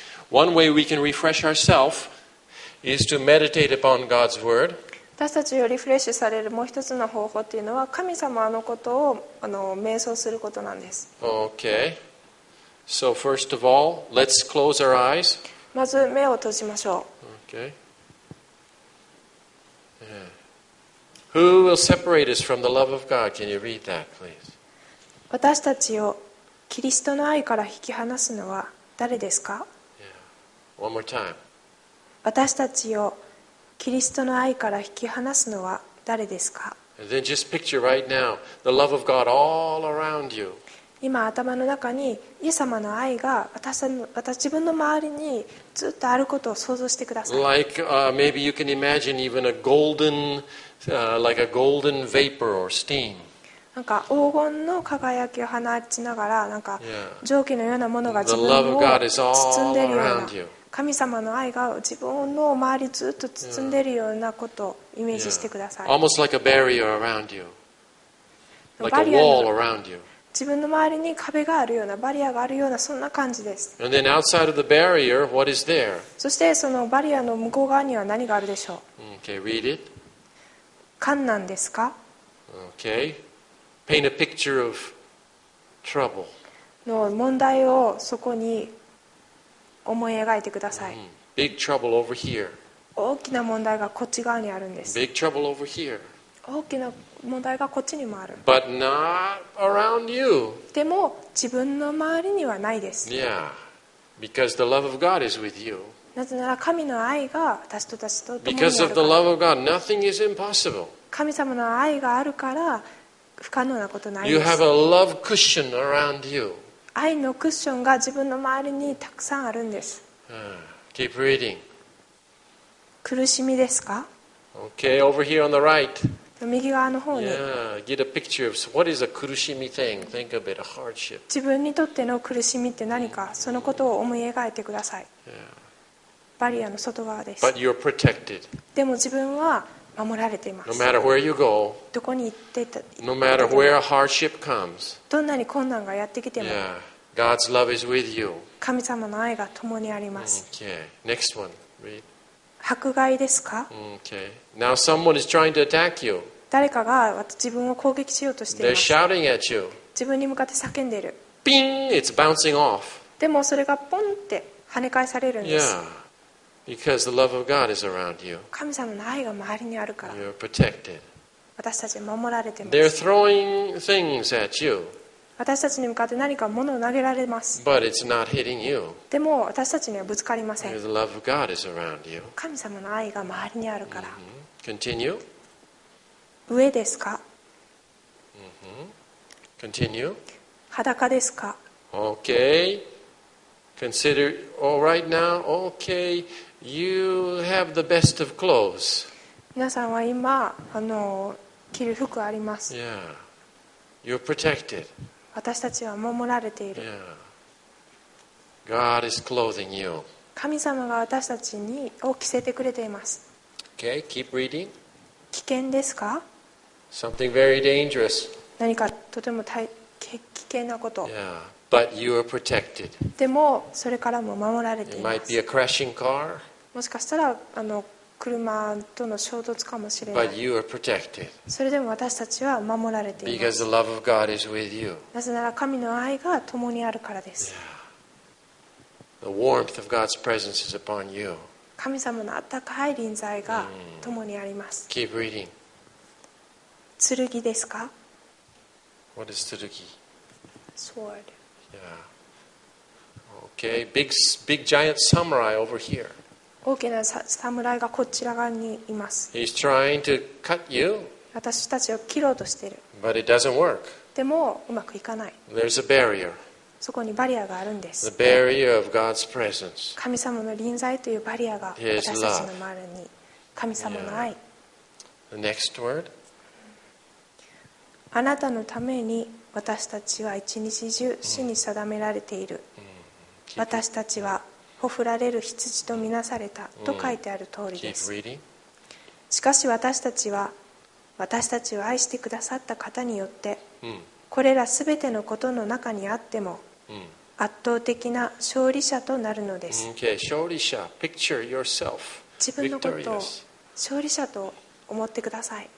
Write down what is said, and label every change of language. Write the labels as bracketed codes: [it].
[en] One way we can refresh ourselves is to meditate upon God's word. [ja] 私たちをリフレッシュされるもう一つの方法というのは神様のことを瞑想することなんです。 [en] Okay. So first of all, let's close our eyes. [ja] まず目を閉じましょう。 [en] Okay. Yeah. Who will separate us from the love of God? Can you read that, please? [ja] 私たちをキリストの愛から引き離すのは誰ですか？ [en] Yeah. One more time. [ja] 私たちをキリストの愛から引き離すのは誰ですか？ [en] And then just picture right now the love of God all around you. [ja] 今頭の中にイエス様の愛が私自分の周りにずっとあることを想像してください。 [en] Like, maybe you can imagine even a golden, like a golden vapor or steam. [ja] なんか黄金の輝きを放ちながらなんか蒸気のようなものが自分を包んでいるような神様の愛が自分の周りずっと包んでいるようなことをイメージしてください。 [en] Almost like a barrier around you. Like a wall around you. [ja] 自分の周りに壁があるようなバリアがあるようなそんな感じです。 [en] And then outside of the barrier, what is there? [ja] そしてそのバリアの向こう側には何があるでしょう [en] Okay, read it. [ja] 艦なんですか [en] Okay. Paint a picture of trouble. [ja] の問題をそこに思い描いてください。 [en] Big trouble over here. [ja] 大きな問題がこっち側にあるんです。 [en] Big trouble over here. [ja] 大きな問題がこっちにもある。 [en] But not around you. [ja] でも自分の周りにはないです。 [en] Yeah. Because the love of God is with you. [ja] なぜなら神の愛が私と私と共にあるから。 [en] Because of the love of God, nothing is impossible. [ja] 神様の愛があるから不可能なことないです。 [en] You have a love cushion around you. [ja] 愛のクッションが自分の周りにたくさんあるんです。 [en] Keep reading. [ja] 苦しみですか [en] Okay, over here on the right. [ja] 右側の方に。 [en] Yeah, get a picture of what is a 苦しみ thing. Think of it, a hardship. [ja] 自分にとっての苦しみって何か、そのことを思い描いてください。 [en] Yeah. [ja] バリアの外側です。 [en] But you're protected. [ja] でも自分は守られています。 [en] No matter where you go, [ja] どこに行ってた、 [en] No matter where hardship comes, [ja] どんなに困難がやってきても、 [en] Yeah, God's love is with you. [ja] 神様の愛が共にあります。 [en] Okay. Next one. Read. [ja] 迫害ですか？ [en] Okay. Now someone is trying to attack you. [ja] 誰かが自分を攻撃しようとしています。 [en] They're shouting at you. [ja] 自分に向かって叫んでいる。 [en] ピン！It's bouncing off. [ja] でもそれがポンって跳ね返されるんです。 [en] Yeah. Because the love of God is around you. [ja] 神様の愛が周りにあるから。 [en] You're protected. [ja] 私たち守られています。 [en] They're throwing things at you. [ja] 私たちに向かって何か物を投げられます。 [en] But it's not hitting you. [ja] でも私たちにはぶつかりません。 [en] The love of God is around you. [ja] 神様の愛が周りにあるから。 [en] Continue. [ja] 上ですか？ [en] Continue. [ja] 裸ですか？ [en] Okay. Consider, all right now, okay, you have the best of clothes. [ja] 皆さんは今着る服あります。 [en] Yeah. You're protected. [ja] 私たちは守られている。 [en] Yeah. God is clothing you. [ja] 神様が私たちにを着せてくれています。 [en] Okay, keep reading. [ja] 危険ですか？ [en] Something very dangerous. [ja] 何かとても危険なこと。 [en] Yeah. But you are protected. [ja] でもそれからも守られています。 [en] It might be a crashing car. [ja] もしかしたら車との衝突かもしれない。 [en] But you are protected. [ja] それでも私たちは守られています。 [en] Because the love of God is with you. [ja] なぜなら神の愛が共にあるからです。 [en] The warmth of God's presence is upon you. [ja] 神様の温かい臨在が共にあります。 [en] Keep reading. [ja] 剣ですか？ [en] What is 剣？ Sword. Yeah. Okay. Big, big giant samurai over here. [ja] 大きな侍がこちら側にいます。 [en] He's trying to cut you. [ja] 私たちを切ろうとしている。 [en] But it doesn't work. [ja] でもうまくいかない。 [en] There's a barrier. [ja] そこにバリアがあるんです。 [en] The barrier of God's presence. [ja] 神様の臨在というバリアが私たちの周りに。神様の愛。 [en] Yeah. The next word. [ja] あなたのために。私たちは一日中死に定められている。私たちはほふられる羊とみなされたと書いてある通りです。しかし私たちを愛してくださった方によって、これらすべてのことの中にあっても、圧倒的な勝利者となるのです。 [en] 勝利者、picture yourself. [ja] 自分のことを勝利者と思ってください。